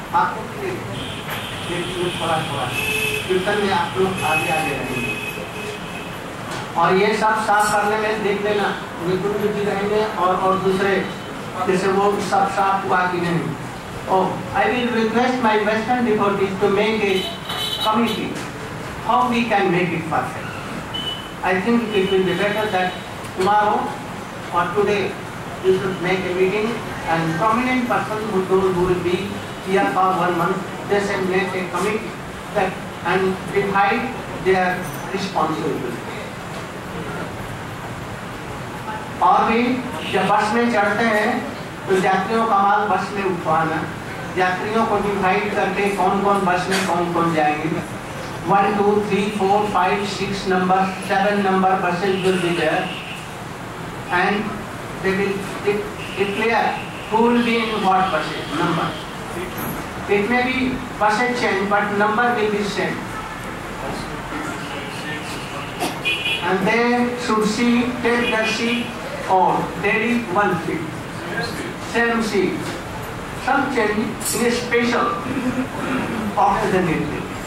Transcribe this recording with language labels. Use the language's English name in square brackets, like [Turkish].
[Hindi] आपको थोड़ा थोड़ा कीर्तन में आप लोग आगे आगे रहेंगे और ये सब साफ करने में देख लेना बिल्कुल भी रहेंगे और दूसरे जैसे वो सब साफ हुआ कि नहीं। [English] Oh I will request my western devotees to make it committee how we can make it perfect. I think it will be better that tomorrow for today, you should make a meeting and prominent person who will be here for 1 month, they should make a committee and divide their responsibility. [Hindi] और भी जब बस में चढ़ते हैं तो यात्रियों का माल बस में उठवाना, यात्रियों को डिवाइड करके कौन कौन बस में कौन कौन जाएंगे, 1, 2, 3, 4, 5, 6 number 7 number [English] Buses will be there and they will declare who will be in what buses, number. It may be buses change, but number will be same. And they should see, take the seat or there is one seat. Same seat. Some change in a special occasion.